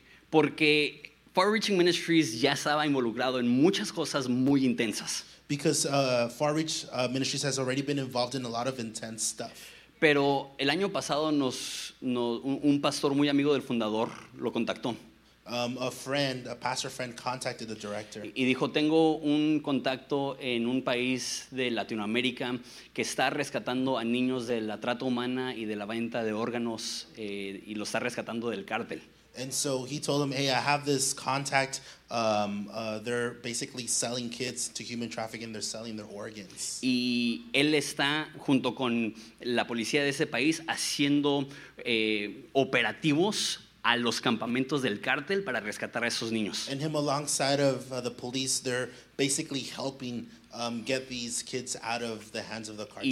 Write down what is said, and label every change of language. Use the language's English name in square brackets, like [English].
[Spanish] Porque Far-Reaching Ministries ya estaba involucrado en muchas cosas muy intensas. [English] Because Far-Reach Ministries has already been involved in a lot of intense stuff. [Spanish] Pero el año pasado un pastor muy amigo del fundador lo contactó. [English] A pastor friend contacted the director. [Spanish] Y dijo, tengo un contacto en un país de Latinoamérica que está rescatando a niños de la trata humana y de la venta de órganos y lo está rescatando del cártel. [English] And so he told him, hey, I have this contact. They're basically selling kids to human trafficking. They're selling their organs. [Spanish] Y él está junto con la policía de ese país haciendo operativos a los campamentos del cártel para rescatar a esos niños. [English] And him alongside of the police, they're basically helping get these kids out of the hands of the cartel.